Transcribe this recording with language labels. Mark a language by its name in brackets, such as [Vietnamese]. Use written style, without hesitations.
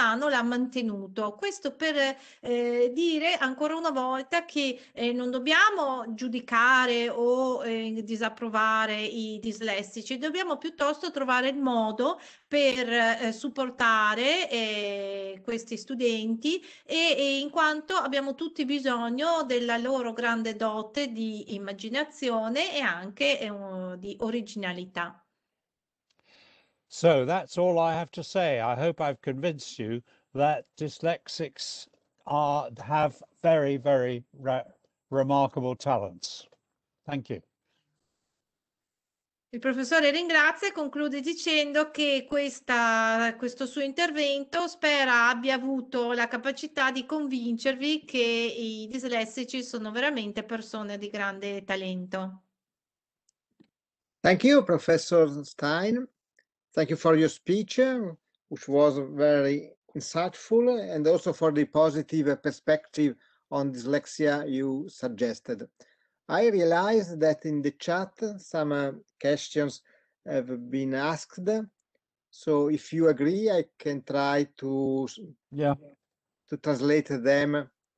[Italian] umano l'ha mantenuto. Questo per dire ancora una volta che non dobbiamo giudicare o disapprovare i dislessici, dobbiamo piuttosto trovare il modo per supportare questi studenti e in quanto abbiamo tutti bisogno della loro grande dote di immaginazione e anche di originalità. [English] So that's all I have to say. I hope I've convinced you that dyslexics have very, very remarkable talents. Thank you. [Italian] Il professore ringrazia e conclude dicendo che questo suo intervento spera abbia avuto la capacità di convincervi che i dislessici sono veramente persone di grande talento. [English] Thank you, Professor Stein. Thank you for your speech, which was very insightful, and also for the positive perspective on dyslexia you suggested. I realize that in the chat some questions have been asked, so if you agree, I can try to to translate them.